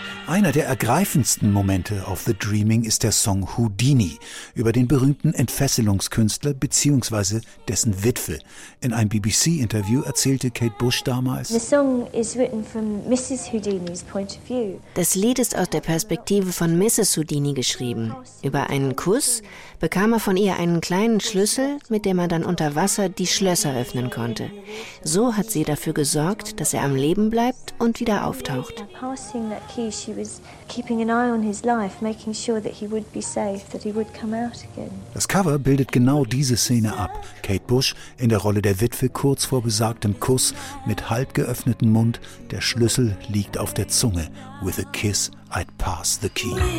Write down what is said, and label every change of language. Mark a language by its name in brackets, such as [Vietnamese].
[German] Einer der ergreifendsten Momente auf The Dreaming ist der Song Houdini über den berühmten Entfesselungskünstler bzw. dessen Witwe. In einem BBC-Interview erzählte Kate Bush damals: [English] The song is written from Mrs. Houdini's point of view. [German] Das Lied ist aus der Perspektive von Mrs. Houdini geschrieben. Über einen Kuss bekam er von ihr einen kleinen Schlüssel, mit dem er dann unter Wasser die Schlösser öffnen konnte. So hat sie dafür gesorgt, dass er am Leben bleibt und wieder auftaucht. [English] She was keeping an eye on his life, making sure that he would be safe, that he would come out again. [German] Das Cover bildet genau diese Szene ab. Kate Bush in der Rolle der Witwe kurz vor besagtem Kuss mit halb geöffnetem Mund. Der Schlüssel liegt auf der Zunge. [English] With a kiss, I'd pass the key.